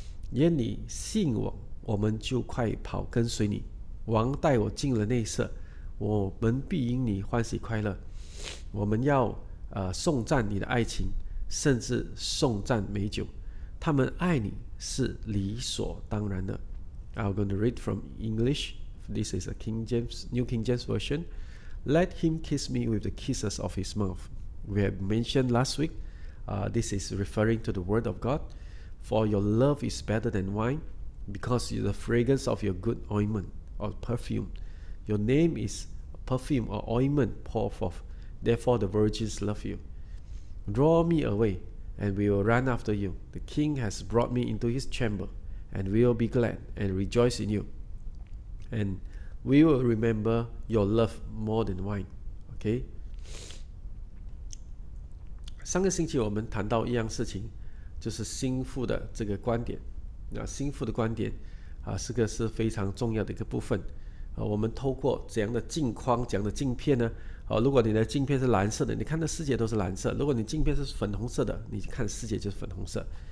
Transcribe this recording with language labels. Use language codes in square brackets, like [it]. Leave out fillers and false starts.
[zh] 因你信我，我们就快跑跟随你。王带我进了内舍，我们必因你欢喜快乐。我们要颂赞你的爱情，甚至颂赞美酒。他们爱你是理所当然的。 [en] I'm going to read from English. This is a King James, New King James version. Let him kiss me with the kisses of his mouth. We have mentioned last week, this is referring to the word of God. For your love is better than wine, because you're the fragrance of your good ointment or perfume. Your name is perfume or ointment pour forth. Therefore the virgins love you. Draw me away, and we will run after you. The king has brought me into his chamber, and we will be glad and rejoice in you. And we will remember your love more than wine. Okay? [zh] 上个星期我们谈到一样事情，就是心腹的这个观点。那心腹的观点啊，是个是非常重要的一个部分啊。我们透过怎样的镜框、怎样的镜片呢？啊，如果你的镜片是蓝色的，你看的世界都是蓝色；如果你镜片是粉红色的，你看世界就是粉红色。